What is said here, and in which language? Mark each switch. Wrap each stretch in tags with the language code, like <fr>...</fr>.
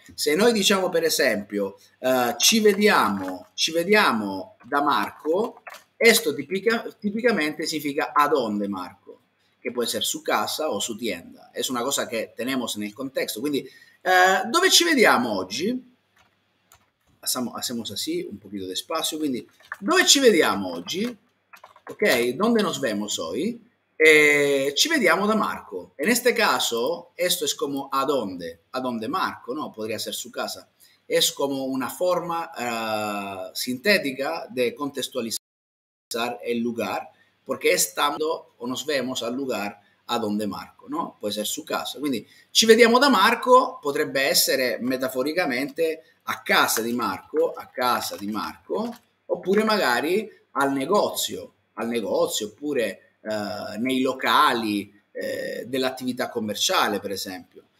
<it>Se noi diciamo, per esempio, ci vediamo da Marco,</it> <es>esto tipicamente significa a donde Marco,</es> <it>che può essere su casa o su tienda. È una cosa che tenemos nel contesto. Quindi, dove ci vediamo oggi?</it> <es>Hacemos así, un poquito de espacio.</es> <it>Quindi, dove ci vediamo oggi?</it> <es>Ok, donde nos vemos hoy?</es> <it>Ci vediamo da Marco.</it> <es>En este caso, esto es como a donde. A donde Marco, no? Podría ser su casa. Es como una forma sintética de contextualizar el lugar, porque estando o nos vemos al lugar a donde Marco, no?</es> <it>Può essere su casa. Quindi, ci vediamo da Marco potrebbe essere metaforicamente a casa di Marco, a casa di Marco, oppure magari al negozio, oppure nei locali dell'attività commerciale, per esempio.</it>